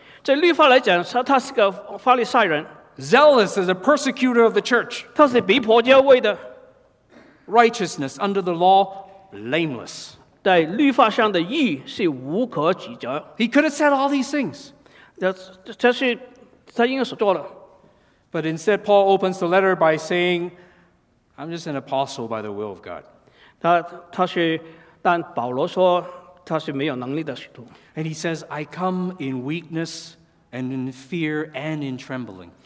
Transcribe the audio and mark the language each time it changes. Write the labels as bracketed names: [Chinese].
[Chinese] 在律法来讲他是个法利赛人 [English] Zealous as a persecutor of the church [Chinese] 他是逼迫教会的 [English] Righteousness under the law blameless [Chinese] 在律法上的义是无可指责 [English] He could have said all these things [Chinese] 这是他应该所做的 [English] But instead, Paul opens the letter by saying, I'm just an apostle by the will of God. [Chinese] 但保罗说他是没有能力的使徒。 [English] And he says, I come in weakness and in fear and in trembling.